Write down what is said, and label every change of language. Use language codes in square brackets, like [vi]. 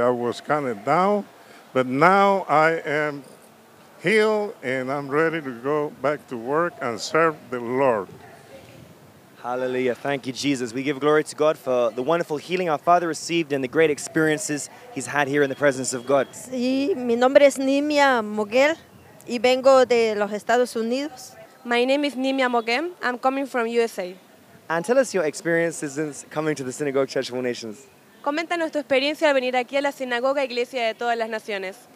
[en] I was kind of down, but now I am healed, and I'm ready to go back to work and serve the Lord. Hallelujah. Thank you, Jesus. We give glory to God for the wonderful healing our father received and the great experiences he's had here in the presence of God. [es] Sí, mi nombre es Nimia Moguel y vengo de los Estados Unidos. [en] My name is Nimia Moguel. I'm coming from USA. And tell us your experiences since coming to the Synagogue Church of All Nations. [es] Coméntanos tu experiencia al venir aquí a la Sinagoga Iglesia de Todas las Naciones.